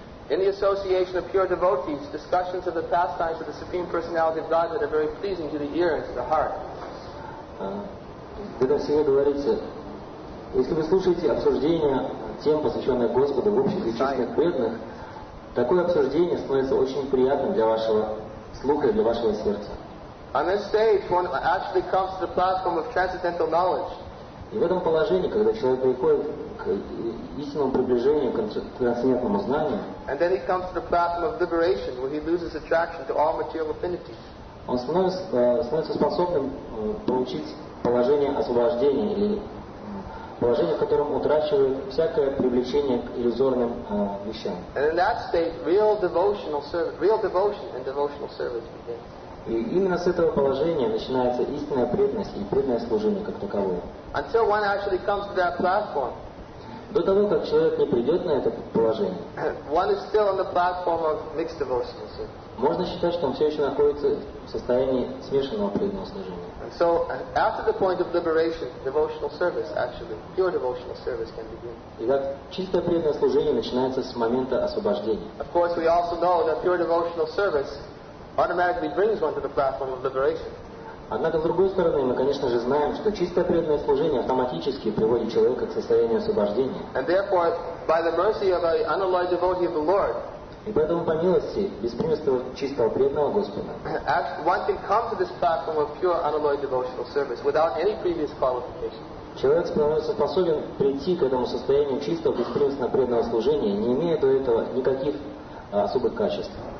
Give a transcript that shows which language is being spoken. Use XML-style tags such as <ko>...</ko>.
<en>In the association of pure devotees, discussions of the pastimes of the Supreme Personality of Godhead are very pleasing to the ear and to the heart.</en> <ru>В этом стихе говорится, если вы слушаете обсуждение тем, посвященных Господу в обществе чистых преданных, такое обсуждение становится очень приятным для вашего слуха и для вашего сердца.</ru> <en>On this stage, one actually comes to the platform of transcendental knowledge.</en> <ru>И в этом положении, когда человек приходит к истинному приближению, к трансцендентному знанию,</ru> <en>and then he comes to the platform of liberation, where he loses attraction to all material affinities.</en> <ru>Он становится способным получить положение освобождения или положение, в котором утрачивает всякое привлечение к иллюзорным вещам.</ru> <en>And in that state, real devotion and devotional service begins.</en> <ru>И именно с этого положения начинается истинная преданность и преданное служение как таковое.</ru> <en>Until one actually comes to that platform,</en> <ru>до того, как человек не придет на это положение,</ru> <en>one is still on the platform of mixed devotional service.</en> <ru>Можно считать, что он все еще находится в состоянии смешанного преданного служения.</ru> <en>And so, after the point of liberation, devotional service, actually, pure devotional service can begin.</en> <ru>Итак, чистое преданное служение начинается с момента освобождения.</ru> <en>Of course, we also know that pure devotional service automatically brings one to the platform of liberation.</en> <ru>Однако, с другой стороны, мы, конечно же, знаем, что чистое преданное служение автоматически приводит человека к состоянию освобождения.</ru> <en>And therefore, by the mercy of an unalloyed devotee of the Lord,</en> <ru>и поэтому, по милости, без примеса чистого преданного Господа,</ru> <en>one can come to this platform of pure unalloyed devotional service without any previous qualification.</en> <ru>Человек становится способен прийти к этому состоянию чистого, беспримесного преданного служения, не имея до этого никаких особых качеств.</ru>